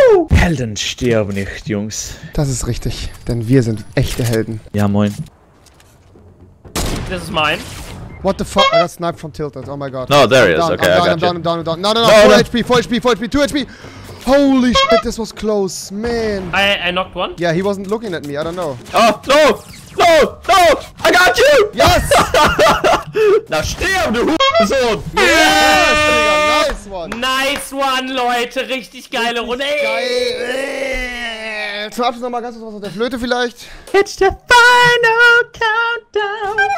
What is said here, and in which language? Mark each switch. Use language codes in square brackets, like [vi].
[de] Helden sterben nicht, Jungs. Das ist richtig, denn wir sind echte Helden. Ja, moin. [en] This is mine. What the fuck? I got sniped from Tilted. Oh my god. No, there he is. Okay, I got you. I'm down. No. Full HP. 2 HP. Holy shit, this was close, man. I knocked one. Yeah, he wasn't looking at me. I don't know. Oh, no. No! I got you! Yes! [de] Na sterb, du Hurensohn! [en] Yes! Nice one, [de] Leute! Richtig geile Runde! Geil! Zum Abschluss nochmal ganz kurz was auf der Flöte vielleicht. [en] It's the final countdown!